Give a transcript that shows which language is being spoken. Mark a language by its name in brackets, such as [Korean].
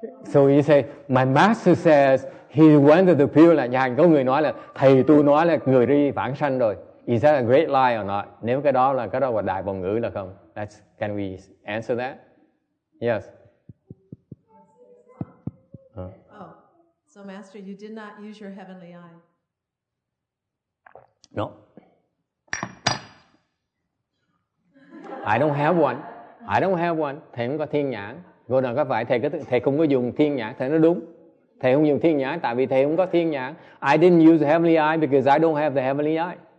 [English] So you say, my master says he went to the Pure Land. [Vietnamese] Có người nói là thầy tôi nói là người đi vãng sanh rồi. [English] Is that a great lie or not? [Vietnamese] Nếu cái đó là cái đó là đại vọng ngữ là không? [English] Can we answer that? Yes. Oh, so Master, you did not use your heavenly eye. No. I don't have one. I don't have one. [Vietnamese] Thầy không có thiên nhãn. Cô nào có phải thầy không có dùng thiên nhãn? Thầy nói đúng. Thầy không dùng thiên nhãn tại vì thầy không có thiên nhãn. [English] I didn't use the heavenly eye because I don't have the heavenly eye.